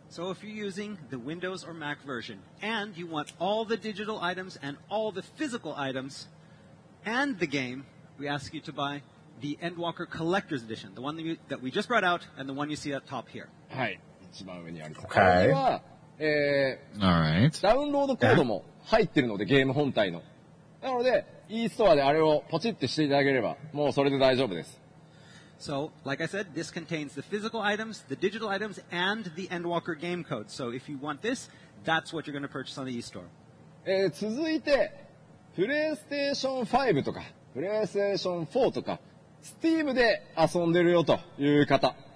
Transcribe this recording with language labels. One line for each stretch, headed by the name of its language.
English: So if you're using the Windows or Mac version, and you want all the digital items and all the physical items, and the game, we ask you to buy the Endwalker Collector's Edition, the one that we just brought out, and the one you see at top here.
Japanese: はい、一番上にある。Okay.
English: Alright.
Japanese: ダウンロードコードも入ってるので、ゲーム本体の。
English: So, like I said, this contains the physical items, the digital items, and the Endwalker game code. So if you want this, that's what you're going to purchase on the eStore.
Japanese: 続いて, PlayStation 5 とか, PlayStation 4 とか, Steam で遊んでるよという方。